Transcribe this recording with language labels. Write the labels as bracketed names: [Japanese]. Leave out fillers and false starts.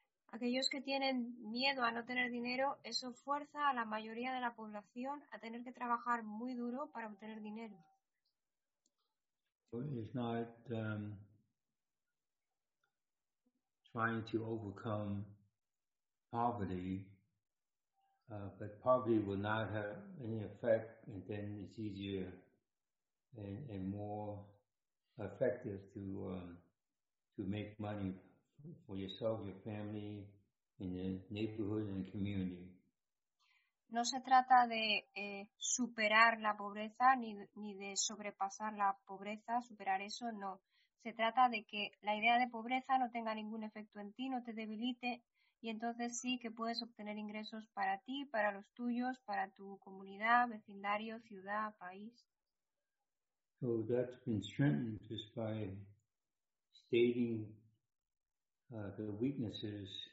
[Spanish] Aquellos que tienen miedo a no tener dinero, eso fuerza a la mayoría de la población a tener que trabajar muy duro para obtener dinero. [English] So it's not trying to overcome poverty, but poverty will not have any effect, and then it's easier and more effective to make money for yourself, your family, in the neighborhood and community. [Spanish] No se trata de superar la pobreza ni de sobrepasar la pobreza, superar eso, no. Se trata de que la idea de pobreza no tenga ningún efecto en ti, no te debilite, y entonces sí que puedes obtener ingresos para ti, para los tuyos, para tu comunidad, vecindario, ciudad, país. [English] So that's been strengthened just by stating the weaknesses.